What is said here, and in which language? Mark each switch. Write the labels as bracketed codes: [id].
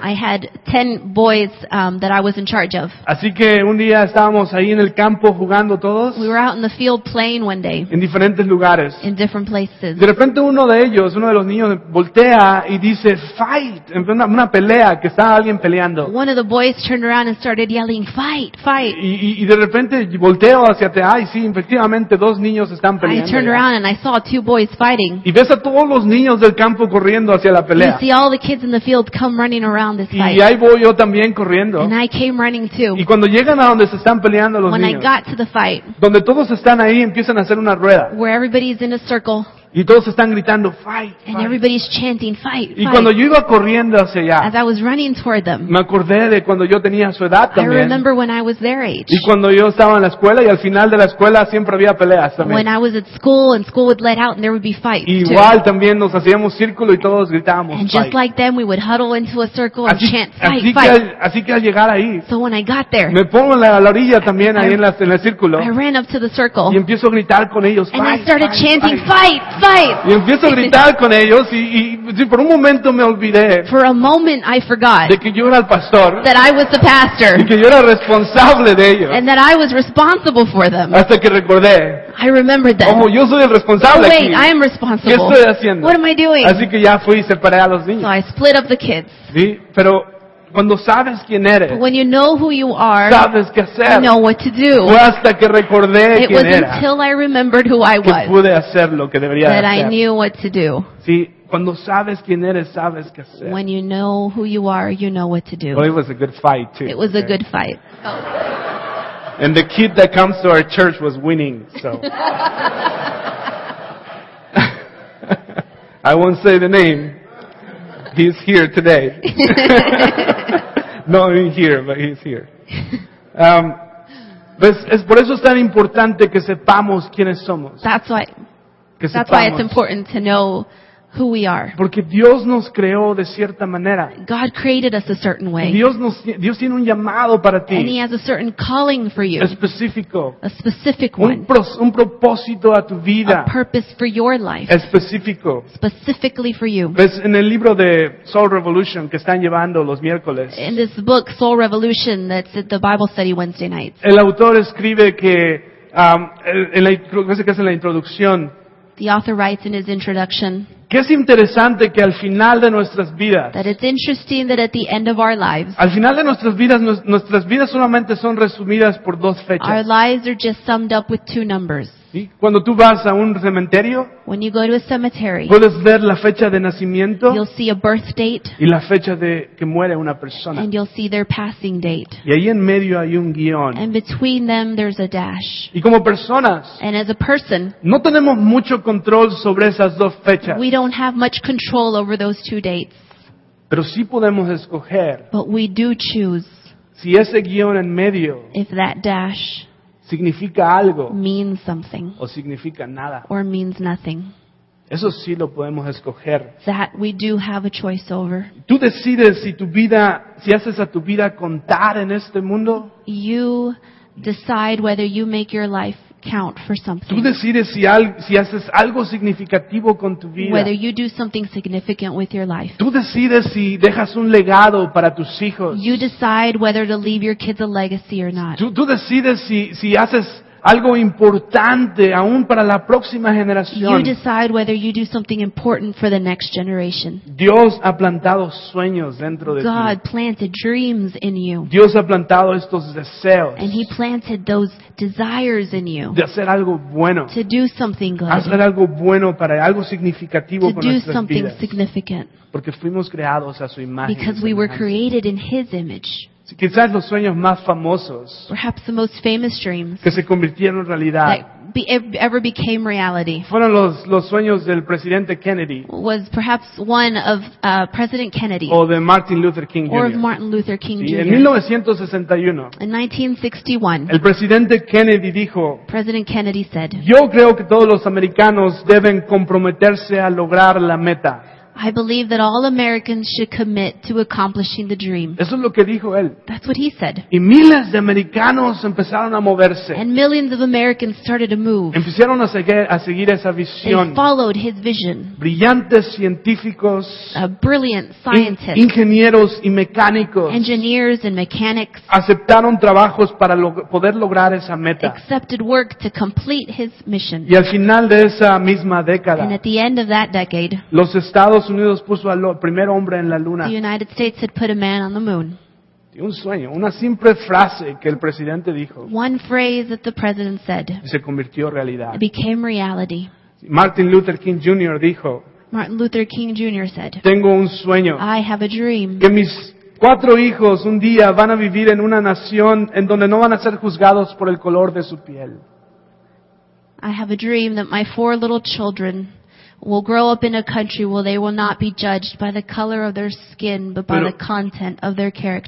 [en] I had 10 boys that I was in charge of. [es] Así que un día estábamos ahí en el campo jugando todos. [en] We were out in the field playing one day. [es] En diferentes lugares. [en] In different places. [es] De repente uno de ellos, uno de los niños, voltea y dice, fight, una pelea, que está alguien peleando. [en] One of the boys turned around and started yelling, fight, fight. [es] Y de repente volteo hacia ti, ay sí, efectivamente dos niños están peleando. [en] I turned around and I saw two boys fighting. [es] Y ves a todos los niños del campo corriendo hacia la pelea. [en] You see all the kids in the field come running around this fight. [es] Y ahí voy yo también corriendo. [en] And I came running too. [es] Y cuando llegan a donde se están peleando los [en] when [es] niños, [en] I got to the fight, [es] donde todos están ahí, empiezan a hacer una rueda. [en] Where everybody's in a circle. [es] Y todos están gritando, fight, fight. [en] And everybody's chanting, fight, fight. [es] Y cuando yo iba corriendo hacia allá, [en] as I was running toward them, [es] me acordé de cuando yo tenía su edad también. [en] I remember when I was their age. [es] Y cuando yo estaba en la escuela, y al final de la escuela siempre había peleas también. [en] When I was at school, and school would let out, and there would be fights. [es] Igual También nos hacíamos círculo y todos gritábamos, [en] and fight. Just like them, we would huddle into a circle and [es] así, [en] chant, fight, fight. [es] Así que al llegar ahí, [en] so when I got there, [es] me pongo en la orilla también, ahí en el círculo, [en] I ran up to the circle, [es] y empiezo a gritar con ellos, [en] and fight, I started fight, chanting, fight, fight. [es] Y empiezo a gritar con ellos y por un momento me olvidé. [en] For a moment I forgot. [es] De que yo era el pastor. [en] That I was the pastor. [es] Y que yo era responsable de ellos. [en] And that I was responsible for them. [es] Hasta que recordé. [en] I remembered that. [es] Como yo soy el responsable. [en] Oh, wait, [es] aquí. [en] I am responsible. [es] ¿Qué estoy haciendo? [en] What am I doing? [es] Así que ya fui y separé a los niños. [en] So I split up the kids. [es] Sí, pero cuando sabes quién eres, [en] but when you know who you are, [es] sabes qué hacer. [en] You know what to do. [es] Fue hasta que recordé [en] it [es] quién [en] was [es] era, [en] until I remembered who I [es] que [en] was, [es] pude hacer lo que debería [en] that [es] hacer. [en] I knew what to do. [es] Sí, cuando sabes quién eres, sabes qué hacer. [en] When you know who you are, you know what to do. Well, it was a good fight too. It was okay. A good fight. Oh. And the kid that comes to our church was winning, so. I won't say the name. He's here today. No, he's here, but he's here. [es] Es por eso es tan importante que sepamos quiénes somos. [en] That's why it's important to know who we are. [es] Porque Dios nos creó de cierta manera. [en] God created us a certain way. [es] Dios tiene un llamado para ti. [en] And he has a certain calling for you. [es] Específico. [en] A specific one. [es] Un propósito a tu vida. [en] A purpose for your life. [es] Específico. [en] Specifically for you. [es] Ves en el libro de Soul Revolution que están llevando los miércoles. [en] In this book, Soul Revolution, that's at the Bible study Wednesday nights. [es] El autor escribe que en la introducción. [en] The author writes in his introduction. [es] Que es interesante que al final de nuestras vidas, [en] that it's interesting that at the end of our lives, [es] al final de nuestras vidas, nuestras vidas solamente son resumidas por dos fechas. [en] Our lives are just summed up with two numbers. [es] ¿Sí? Cuando tú vas a un cementerio, [en] when you go to a cemetery, [es] puedes ver la fecha de nacimiento, [en] you'll see a birth date, [es] y la fecha de que muere una persona, [en] and you'll see their passing date. [es] Y ahí en medio hay un guión, [en] and between them there's a dash. [es] Y como personas, [en] and as a person, [es] no tenemos mucho control sobre esas dos fechas. [en] We don't have much control over those two dates. [es] Pero sí podemos escoger, [en] but we do choose, [es] si ese guión en medio, [en] if that dash, [es] significa algo, [en] means something, [es] o significa nada, [en] or means nothing. [es] Eso sí lo podemos escoger. [en] That we do have a choice over. [es] Tú decides si tu vida, si haces a tu vida contar en este mundo. [en] You decide whether you make your life count for something. [es] Tú decides si, si haces algo significativo con tu vida. [en] Whether you do something significant with your life. [es] Tú decides si dejas un legado para tus hijos. [en] You decide whether to leave your kids a legacy or not. [es] Tú decides si haces algo importante aún para la próxima generación. [en] You decide whether you do something important for the next generation. [es] Dios ha plantado sueños dentro de ti. [en] God planted dreams in you. [es] Dios ha plantado estos deseos. [en] And he planted those desires in you. [es] De hacer algo bueno. [en] To do something good. [es] Hacer algo bueno para algo significativo con nuestras vidas. [en] To do something significant. [es] Porque fuimos creados a su imagen. [en] Because we were created in his image. [es] Quizás los sueños más famosos, [en] perhaps the most famous dreams, [es] que se convirtieron en realidad, [en] ever became reality, [es] fueron los sueños del presidente Kennedy, [en] was perhaps one of President Kennedy, [es] o de Martin Luther King Jr. [en] Or of Martin Luther King Jr. [es] Sí, en 1961, [en] in 1961, [es] el presidente Kennedy dijo, [en] President Kennedy said, [es] yo creo que todos los americanos deben comprometerse a lograr la meta. [en] I believe that all Americans should commit to accomplishing the dream. [es] Eso es lo que dijo él. [en] That's what he said. [es] Y miles de americanos empezaron a moverse. [en] And millions of Americans started to move. [es] Empezaron a seguir esa visión. [en] They followed his vision. [es] Brillantes científicos, [en] brilliant scientists, [es] ingenieros y mecánicos, [en] engineers and mechanics, [es] aceptaron trabajos para poder lograr esa meta. [en] Accepted work to complete his mission. [es] Y al final de esa misma década, [en] and at the end of that decade, [es] los Estados Unidos puso al primer hombre en la luna. [en] The United States had put a man on the moon. [es] Y un sueño, una simple frase que el presidente dijo. [en] One phrase that the president said. [es] Y se convirtió en realidad. [en] It became reality. [es] Martin Luther King Jr. dijo. [en] Martin Luther King Jr. said. [es] Tengo un sueño. [en] I have a dream. [es] Que mis cuatro hijos un día van a vivir en una nación en donde no van a ser juzgados por el color de su piel. [en] I have a dream that my four little children will grow up in a country where they will not be judged by the color of their skin, but by the content of their character.